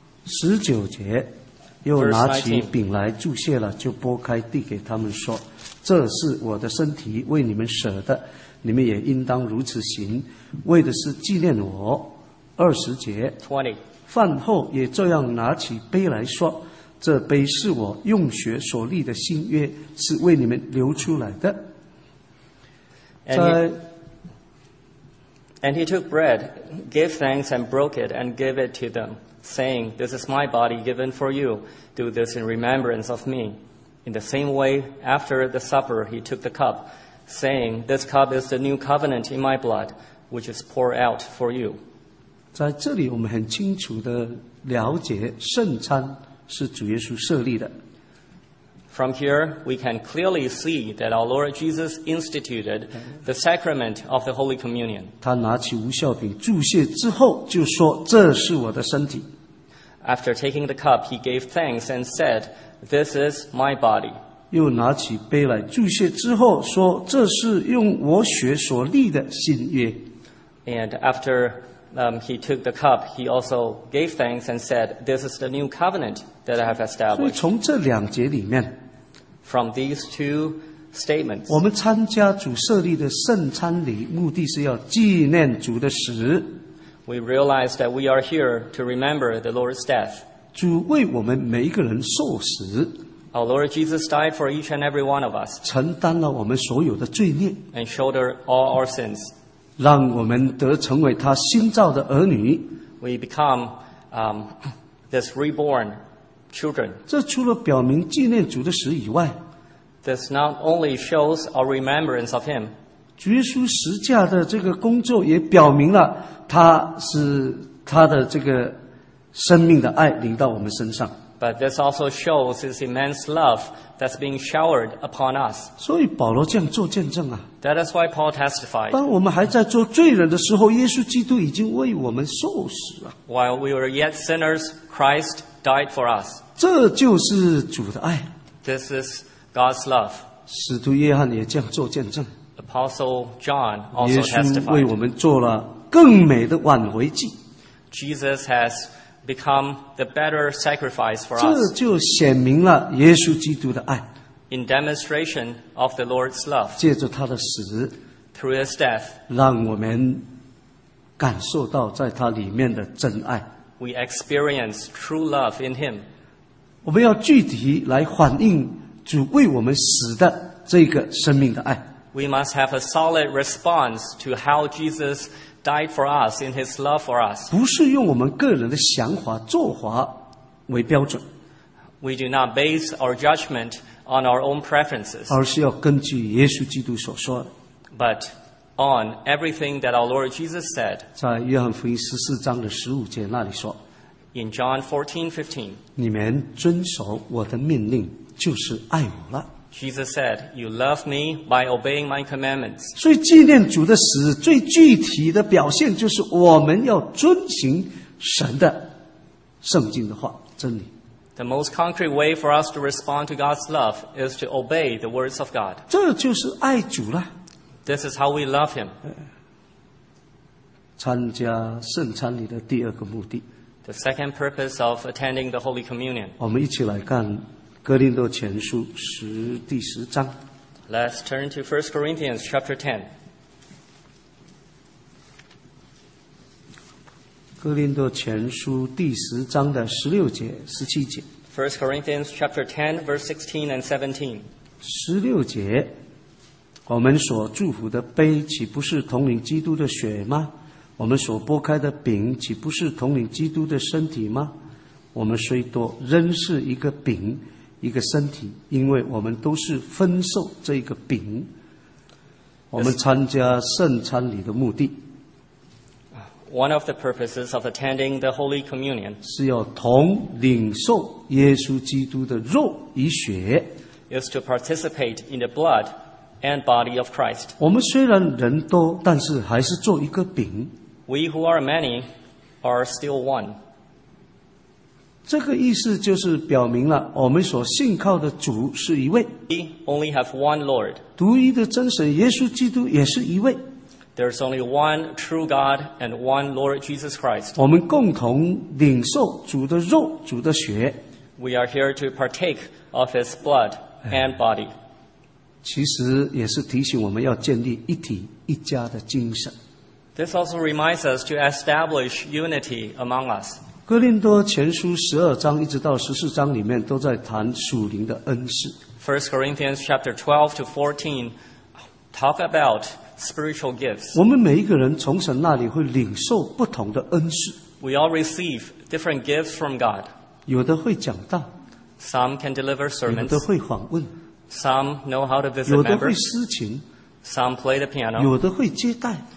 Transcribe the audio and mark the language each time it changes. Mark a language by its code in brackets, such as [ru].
[zh] 十九节，又拿起饼来祝谢了，就拨开递给他们说：“这是我的身体，为你们舍的，你们也应当如此行，为的是纪念我。” 二十节，饭后也这样拿起杯来说：“这杯是我用血所立的新约，是为你们流出来的。” 在。 [en] And he took bread, gave thanks, and broke it, and gave it to them. Saying, this is my body given for you. Do this in remembrance of me. In the same way, after the supper, he took the cup, saying, this cup is the new covenant in my blood, which is poured out for you. [zh] 在这里我们很清楚地了解圣餐是主耶稣设立的。 [en] From here, we can clearly see that our Lord Jesus instituted the sacrament of the Holy Communion. [zh] 他拿起无酵饼祝谢之后就说这是我的身体。 [en] After taking the cup, he gave thanks and said, this is my body. [zh] 又拿起杯来祝谢之后说这是用我血所立的新约。 [en] And afterhe took the cup, he also gave thanks and said, this is the new covenant that I have established. [zh] 所以从这两节里面, [en] from these two statements, [zh] 我们参加主设立的圣餐礼目的是要纪念主的死。 [en] We realize that we are here to remember the Lord's death. [zh] 主为我们每一个人受死。 [en] Our Lord Jesus died for each and every one of us. [zh] 承担了我们所有的罪孽。 [en] And shouldered all our sins. [zh] 让我们得成为他新造的儿女。 [en] We become this reborn children. [zh] 这除了表明纪念主的死以外， [en] This not only shows our remembrance of him. [zh] 主耶稣十架的这个工作也表明了他是他的这个生命的爱临到我们身上。 [en] But this also shows his immense love that's being showered upon us. [zh] 所以保罗这样做见证啊。 [en] That is why Paul testified. [zh] 当我们还在做罪人的时候，耶稣基督已经为我们受死啊。 [en] While we were yet sinners, Christ died for us. [zh] 这就是主的爱。 [en] This is God's love. [zh] 使徒约翰也这样做见证。 [en] Apostle John also testified. 耶稣 [zh] 为我们做了更美的挽回祭。 [en] Jesus has become the better sacrifice for us. [zh] 这就显明了耶稣基督的爱。 [en] In demonstration of the Lord's love, [zh] 借着他的死 [en] through his death, [zh] 让我们感受到在他里面的真爱。 [en] We experience true love in him. [zh] 我们要具体来反映主为我们死的这个生命的爱。 [en] We must have a solid response to how Jesus died for us in his love for us. [zh] 不是用我们个人的想法、做法为标准。 [en] We do not base our judgment on our own preferences. [zh] 而是要根据耶稣基督所说的。 [en] But on everything that our Lord Jesus said. [zh] 在约翰福音十四章的十五节那里说。 [en] In John 14:15. [zh] 你们遵守我的命令，就是爱我了。 [en] Jesus said, "You love me by obeying my commandments." [zh] 所以纪念主的死最具体的表现就是我们要遵行神的圣经的话真理。 [en] The most concrete way for us to respond to God's love is to obey the words of God. [zh] 这就是爱主了。 [en] This is how we love Him. [zh] 参加圣餐礼的第二个目的。 [en] The second purpose of attending the Holy Communion. [zh] 我们一起来看。哥林多前书十第十章。 [en] Let's turn to 1 Corinthians chapter 10. [zh] 哥林多前书第十章的十六节、十七节。 [en] 1 Corinthians chapter 10, verse 16 and 17. [zh] 十六节，我们所祝福的杯，岂不是统领基督的血吗？我们所擘开的饼，岂不是统领基督的身体吗？我们虽多，仍是一个饼。一个身体，因为我们都是分受这个饼。我们参加圣餐礼的目的 [en] ，One of the purposes of attending the Holy Communion [zh] 是要同领受耶稣基督的肉与血 [en] is to participate in the blood and body of Christ. [zh] 我们虽然人多，但是还是做一个饼。 [en] We who are many are still one. [zh] 这个意思就是表明了我们所信靠的主是一位。 [en] We only have one Lord. [zh] 独一的真神耶稣基督也是一位。 [en] There's only one true God and one Lord Jesus Christ. [zh] 我们共同领受主的肉，主的血。 [en] We are here to partake of his blood and body. [zh] 其实也是提醒我们要建立一体一家的精神。 [en] This also reminds us to establish unity among us. [zh] 哥林多前书十二章一直到十四章里面都在谈属灵的恩赐。 [en] First Corinthians chapter 12 to 14 talk about spiritual gifts. [zh] 我们每一个人从神那里会领受不同的恩赐。 [en] We all receive different gifts from God. [zh] 有的会讲道。 [en] Some can deliver sermons. [zh] 有的会访问。 [en] Some know how to visit members. [zh] 有的会施情。 [en] Some play the piano. [zh] 有的会接待。